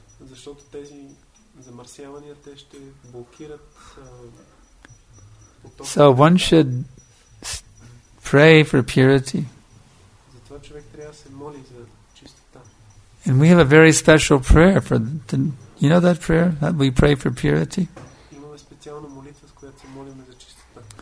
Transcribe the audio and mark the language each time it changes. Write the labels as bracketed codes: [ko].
[bg] Защото тези замърсявания те ще блокират. [en] So one should pray for purity. [bg] Затова човек трябва да се моли за чистота. [en] And we have a very special prayer for the, you know that prayer that we pray for purity. [bg] Имаме специална молитва, с която се молим за чистота.